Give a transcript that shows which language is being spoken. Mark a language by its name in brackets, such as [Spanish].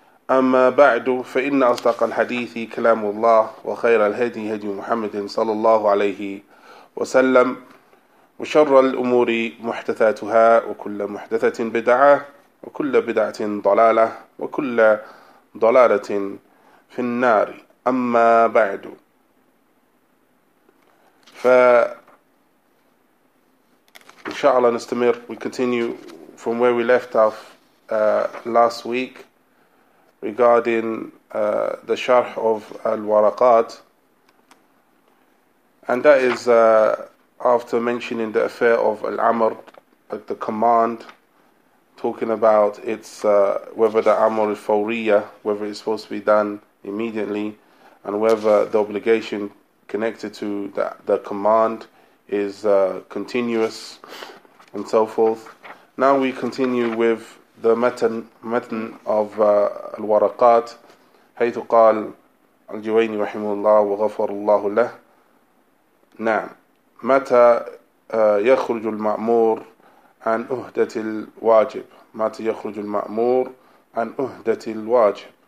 [Arabic] أما بعد، فإن أصدق الحديث كلام الله، وخير الهدي هدي محمد صلى الله عليه وسلم، وشر الأمور محدثاتها، وكل محدثة بدعة، وكل بدعة ضلالة، وكل ضلالة في النار. أما بعد، فإن شاء الله نستمر. [English] We continue from where we left off last week regarding the sharh of al-waraqat, and that is after mentioning the affair of al-amr, at the command, talking about its whether the amr is fawriya, whether it's supposed to be done immediately, and whether the obligation connected to the command is continuous, and so forth. Now we continue with the matan of al-waraqat, [Arabic] حيث قال الجويني رحمه الله وغفر الله له. نعم. متى يخرج المأمور عن أهدة الواجب؟ متى يخرج المأمور عن أهدة الواجب؟